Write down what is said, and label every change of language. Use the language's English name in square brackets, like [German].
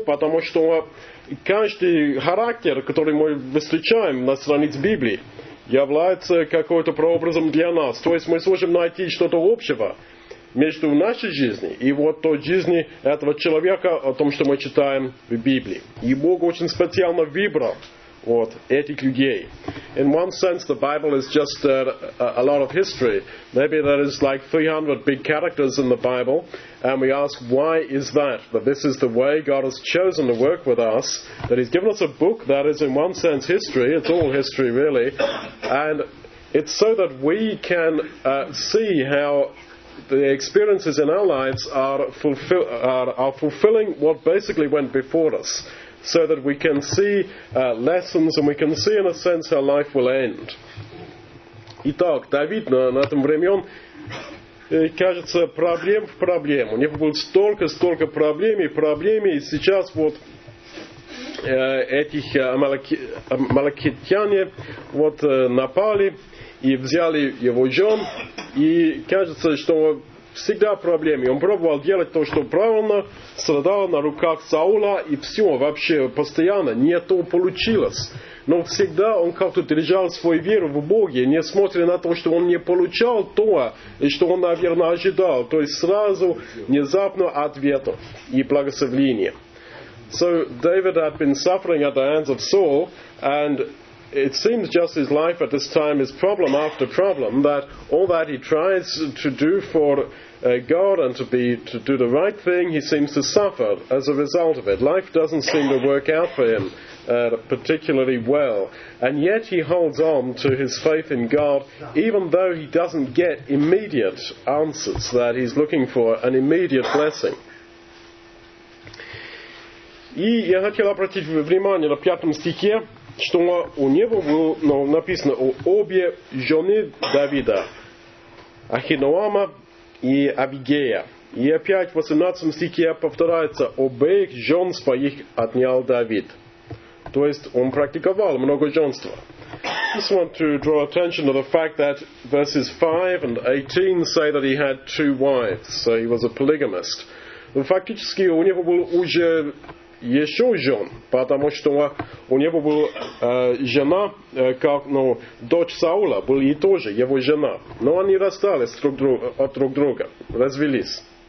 [Russian] Потому что каждый характер, который мы встречаем на странице Библии, является какой-то прообразом для нас. То есть мы сможем найти что-то общего между нашей жизнью и вот той жизнью этого человека, о том, что мы читаем в Библии. И Бог очень специально выбрал вот этих людей. [English] In one sense, the Bible is just a lot of history. Maybe there is like 300 big characters in the Bible. And we ask, why is that? That this is the way God has chosen to work with us. That He's given us a book that is, in one sense, history. It's all history, really. And it's so that we can see how the experiences in our lives are fulfilling what basically went before us. So that we can see lessons, and we can see, in a sense, how life will end. [Russian] Итак, David на этом времен, кажется, проблем в проблем. У него было столько проблем и проблем, и сейчас вот этих амалекитяне вот напали и взяли его жен, и кажется, что всегда проблемы. Он пробовал делать то, что правильно, страдал на руках Саула, и все, вообще, постоянно не то получилось. Но всегда он как-то держал свою веру в Бога, несмотря на то, что он не получал то, и что он, наверное, ожидал. То есть сразу, внезапно ответа и благословения. [English] So, David had been suffering at the hands of Saul, and it seems just his life at this time is problem after problem, that all that he tries to do for God and to do the right thing, he seems to suffer as a result of it. Life doesn't seem to work out for him particularly well. And yet he holds on to his faith in God, even though he doesn't get immediate answers, that he's looking for an immediate blessing. [Russian] И я хотел обратить внимание на пятом стихе, что у него было, ну, написано у обе жены Давида, Ахиноама и Абигея. И опять в 18 стихе повторяется, обеих жен своих отнял Давид. То есть он практиковал многоженство. [English] Just want to draw attention to the fact that verses 5 and 18 say that he had two wives, so he was a polygamist. [Russian] Но фактически у него было уже еще жен, потому что у него была жена, как, ну, дочь Саула, была и тоже его жена. Но они расстались друг от друга, развелись.